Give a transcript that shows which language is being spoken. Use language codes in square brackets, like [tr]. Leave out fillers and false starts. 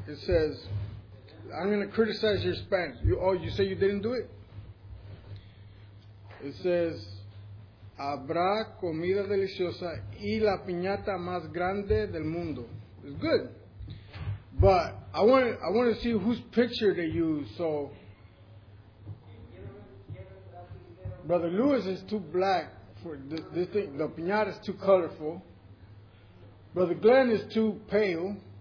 [en] It says, I'm going to criticize your Spanish. You say you didn't do it? It says, [es] habrá comida deliciosa y la piñata más grande del mundo. [en] It's good. But I want to see whose picture they use. So, Brother Lewis is too black for this thing. The piñata is too colorful. Brother Glenn is too pale.